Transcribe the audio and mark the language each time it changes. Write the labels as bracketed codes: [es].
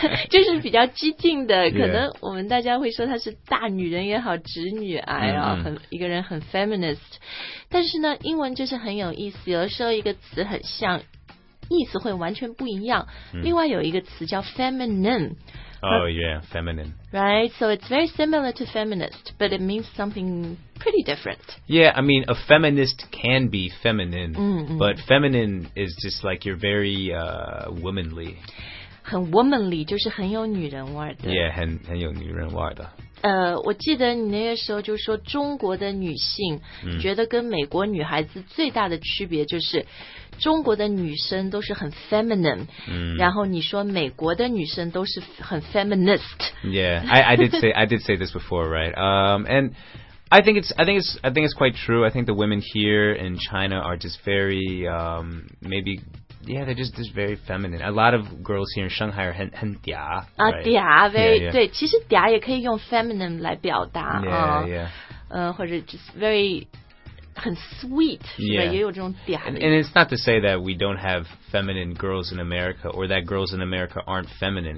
[zh] 就是比较激进的、可能我们大家会说她是大女人也好直女癌、一个人很 feminist 但是呢英文就是很有意思有的时候一个词很像意思会完全不一样、另外有一个词叫 feminine [en] Oh, yeah, feminine. Right, so it's very similar to feminist, but it means something pretty different. Yeah, I mean, a feminist can be feminine, but feminine is just like you're very womanly. [zh] 很 womanly, 就是很有女人味的。 Yeah, 很有女人味的。我记得你那个时候就说中国的女性觉得跟美国女孩子最大的区别就是中国的女生都是很 feminine、然后你说美国的女生都是很 feminist [en] yeah I did say this before right and I think it's quite true I think the women here in China are just very maybeYeah, they're just very feminine. A lot of girls here in Shanghai are [zh] 很嗲、 [en] 嗲 very yeah, yeah. [zh] 对，其实嗲也可以用 feminine 来表达啊， [en] yeah, yeah. [zh] 或者 [en] just very [zh] 很 sweet 是吧？ [en] Yeah. [zh] 也有这种嗲的。 [en] And it's not to say that we don't have feminine girls in America or that girls in America aren't feminine.